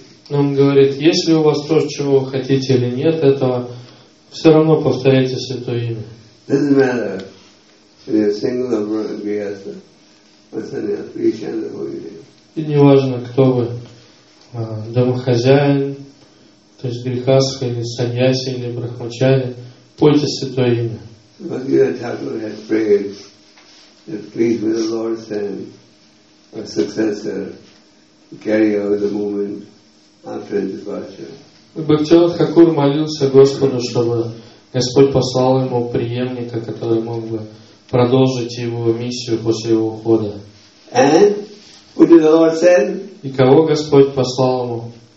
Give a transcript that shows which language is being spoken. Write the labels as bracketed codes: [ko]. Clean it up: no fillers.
[ru] Он говорит, если у вас то, чего вы хотите или нет, этого все равно повторяйте святое имя. И неважно, кто вы, домохозяин, то есть грехастха, или саньяси, или брахмачари, пойте святое имя. [en] Бхактивинода Тхакур has prayed that please may the Lord send a successor to carry out the movement after his departure. [ru] Бхактивинода Тхакур молился Господу, чтобы Господь послал ему преемника, который мог бы продолжить его миссию после его ухода. И кого Господь послал ему?